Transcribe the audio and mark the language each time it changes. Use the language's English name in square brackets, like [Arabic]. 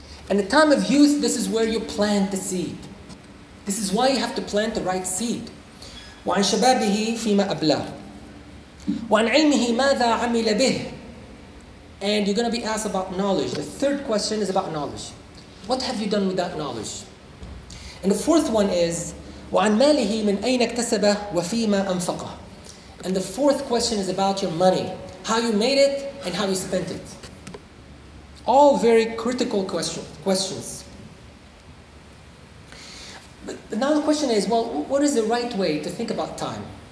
[English] And the time of youth, this is where you plant the seed. This is why you have to plant the right seed. [Arabic] وَعَنْ شَبَابِهِ فِي مَا أَبْلَاهُ. وَعَنْ عِلْمِهِ مَاذَا عَمِلَ بِهِ. [English] And you're going to be asked about knowledge. The third question is about knowledge. What have you done with that knowledge? And the fourth one is, [Arabic] وَعَنْ مَالِهِ مِنْ أَيْنَ اكْتَسَبَهُ وَفِيمَا أَنْفَقَهُ. [English] And the fourth question is about your money. How you made it and how you spent it. All very critical questions. But now the question is, well, what is the right way to think about time?